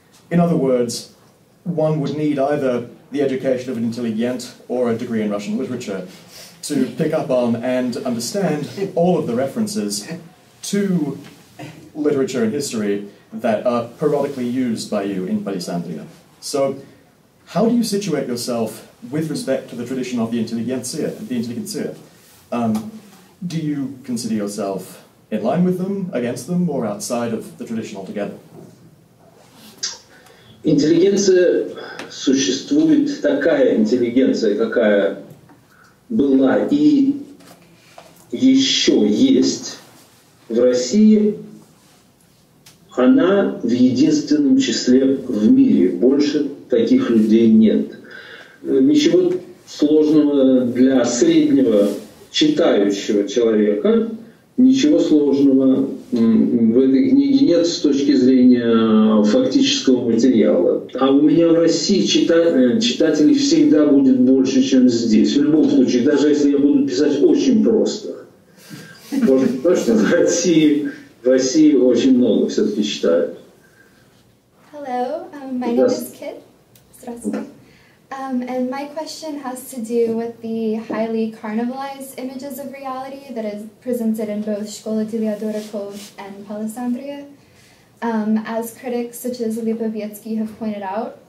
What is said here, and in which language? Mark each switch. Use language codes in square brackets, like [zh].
[en] In other words, one would need either the education of an intelligent or a degree in Russian literature to pick up on and understand all of the references to literature and history that are periodically used by you in Feliz Andrea. So how do you situate yourself with respect to the tradition of the intelligentsia? Do you consider yourself in line with them, against them, or outside of the tradition altogether? [ru] Интеллигенция существует, такая интеллигенция, какая была и еще есть в России, она в единственном числе в мире. Больше таких людей нет. Ничего сложного для среднего читающего человека, ничего сложного в этой книге нет с точки зрения фактического материала. А у меня в России читателей всегда будет больше, чем здесь. В любом случае, даже если я буду писать очень просто. Потому что в России очень много все-таки читают. [en] Hello, my name is Kit. [ru] Здравствуйте. [en] And my question has to do with the highly carnivalized images of reality that is presented in both Shkola Delia Dorokov and Palisandria. As critics such as Lipovetsky have pointed out,